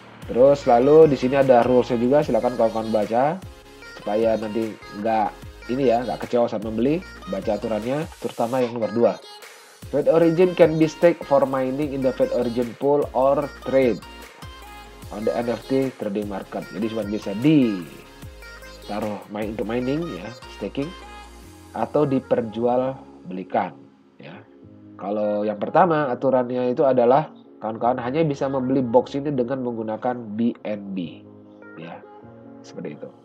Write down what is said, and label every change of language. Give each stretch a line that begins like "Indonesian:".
Indonesian: Terus lalu di sini ada rules-nya juga, silakan kawan-kawan baca supaya nanti nggak ini ya, nggak kecewa sama beli. Baca aturannya, terutama yang nomor 2.
English: Fate Origin can be staked for mining in the Fate Origin pool or trade on the NFT trading market.
Indonesian: Jadi cuma bisa ditaruh main untuk mining ya, staking, atau diperjualbelikan ya. Kalau yang pertama aturannya itu adalah kawan-kawan hanya bisa membeli box ini dengan menggunakan BNB ya, seperti itu.